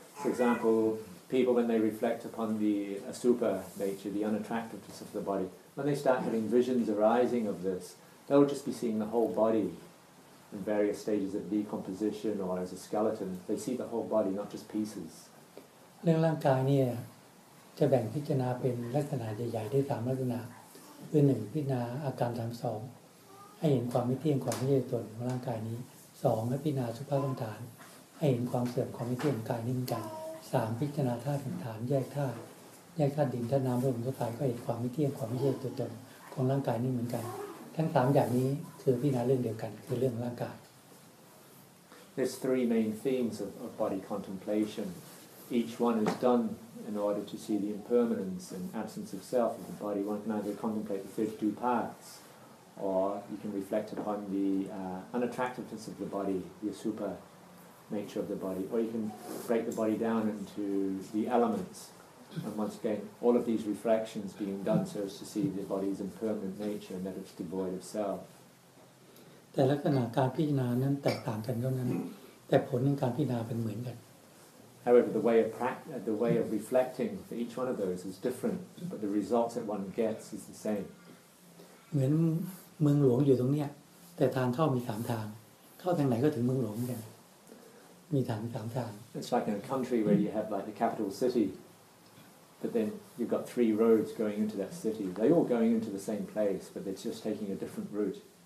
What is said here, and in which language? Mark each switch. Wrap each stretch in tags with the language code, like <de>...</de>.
<en>For example, people when they reflect upon the asupa nature, the unattractiveness of the body, when they start having visions arising of this, they will just be seeing the whole body. In various stages of decomposition or as a skeleton, they see the whole body, not just pieces.</en> <th>เรื่องร่างกายเนี่ยจะแบ่งพิจารณาเป็นลักษณะใหญ่ๆได้สามลักษณะคือหนึ่งพิจารณาอาการ32ให้เห็นความไม่เที่ยงความไม่ใช่ตัวของร่างกายนี้สองให้พิจารณาสุภาพสังขารให้เห็นความเสื่อมความไม่เที่ยงกายนิ่งกันสามพิจารณาธาตุสังขารแยกธาตุแยกธาตุดินธาตุน้ำลมธาตุไฟก็เห็นความไม่เที่ยงความไม่ใช่ตัวตนของร่างกายนี้เหมือนกันทั้ง3อย่างนี้คือพิจารณาเรื่องเดียวกันคือเรื่องร่างกาย</th> <en>There's three main themes of body contemplation. Each one is done in order to see the impermanence and absence of self of the body. One can either contemplate the 32 parts or you can reflect upon the unattractiveness of the body, the asupa nature of the body, or you can break the body down into the elements. And once again, all of these reflections being done serves to see the body's impermanent nature and that it's devoid of self.</en> <th>แต่ลักษณะการพิจารณานั้นแตกต่างกันเท่านั้นแต่ผลของการพิจารณาเป็นเหมือนกัน</th> <en>However the way of reflecting for each one of those is different but the results that one gets is the same</en> <th>เหมือนเมืองหลวงอยู่ตรงเนี้ยแต่ทางเข้ามี3ทางเข้าทางไหนก็ถึงเมืองหลวงเหมือนกันมีทาง3ทาง</th> <en>It's like in a country where you have like the capital city but then you've got three roads going into that city they all going into the same place but they're just taking a different route</en>